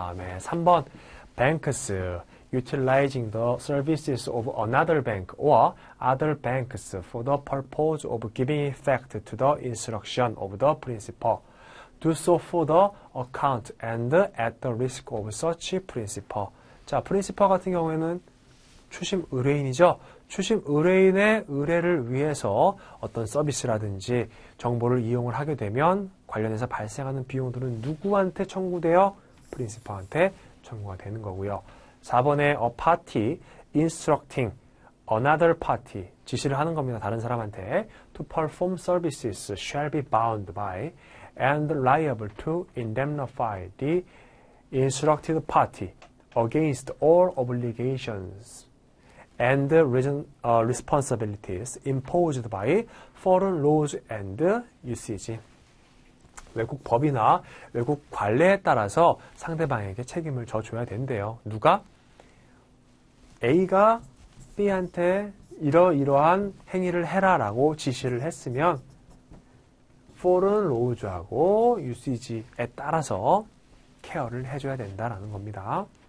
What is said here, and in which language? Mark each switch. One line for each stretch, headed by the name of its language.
Korean: 다음에 3번
English: Banks utilizing the services of another bank or other banks for the purpose of giving effect to the instruction of the principal Do so for the account and at the risk of such principal.
Korean: 자, principal 같은 경우에는 추심 의뢰인이죠. 추심 의뢰인의 의뢰를 위해서 어떤 서비스라든지 정보를 이용을 하게 되면 관련해서 발생하는 비용들은 누구한테 청구되어? principal한테 청구가 되는 거고요. 4번에
English: a party instructing another party
Korean: 지시를 하는 겁니다. 다른 사람한테
English: to perform services shall be bound by and liable to indemnify the instructed party against all obligations and responsibilities imposed by foreign laws and usage.
Korean: 외국 법이나 외국 관례에 따라서 상대방에게 책임을 져줘야 된대요. 누가? A가 B한테 이러이러한 행위를 해라 라고 지시를 했으면 for은 로우즈하고 usage에 따라서 케어를 해줘야 된다라는 겁니다.